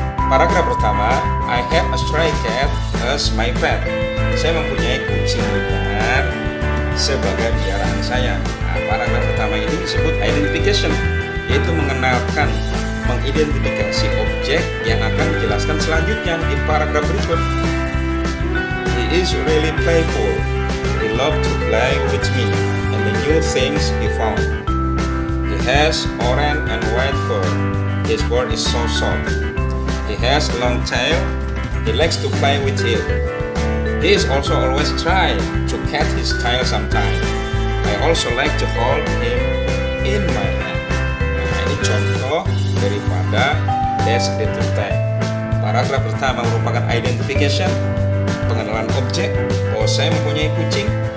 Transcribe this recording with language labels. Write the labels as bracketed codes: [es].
[id] Paragraf pertama, [en] I have a stray cat as my pet. [id] Saya mempunyai kucing liar sebagai piaraan saya. Nah, paragraf pertama ini disebut identification, yaitu mengenalkan, mengidentifikasi objek yang akan dijelaskan selanjutnya di paragraf berikut. [en] He is really playful. He loves to play with me and the new things he found. He has orange and white fur. His fur is so soft. He has a long tail. He likes to play with it. He is also always trying to catch his tail sometimes. I also like to hold him in my hand. [id] Nah, ini contoh daripada descriptive tag. Paragraf pertama merupakan identification, pengenalan objek, oh saya mempunyai kucing.